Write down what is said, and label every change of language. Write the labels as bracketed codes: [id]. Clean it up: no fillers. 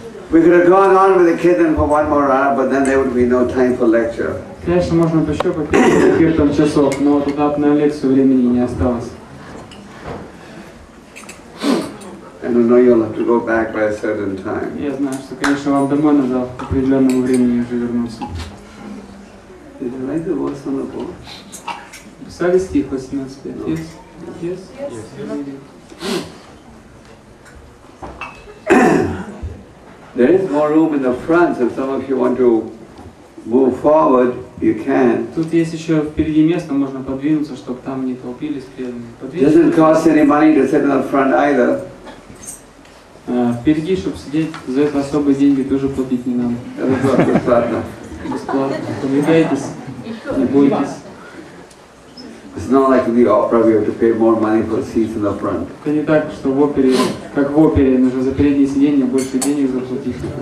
[en] We could have gone on with the kirtan for one more hour, but then there would be no time for lecture. [ru] Конечно, можно бы еще попить киртан часов, но тогда на лекцию времени не осталось. [en] And I know you'll have to go back by a certain time. [ru] Я знаю, что, конечно, вам домой надо по определенному времени уже вернуться. [en] Did you write the verse on the board? [ru] Писали стих 18. [en] No. Yes? Yes? Yes. There is more room in the front, if some of you want to move forward, you can. [ru] Тут есть еще впереди место, можно подвинуться, чтобы там не толпились преданные. [en] Doesn't cost any money to sit in the front either. [ru] Впереди, чтобы сидеть, за это особые деньги тоже платить не надо. Это бесплатно. Бесплатно. Подвигайтесь, не бойтесь. [en] It's not like in the opera we have to pay more money for seats in the front. [ru] Это не так, что в опере, как в опере, нужно за передние сиденья больше денег заплатить.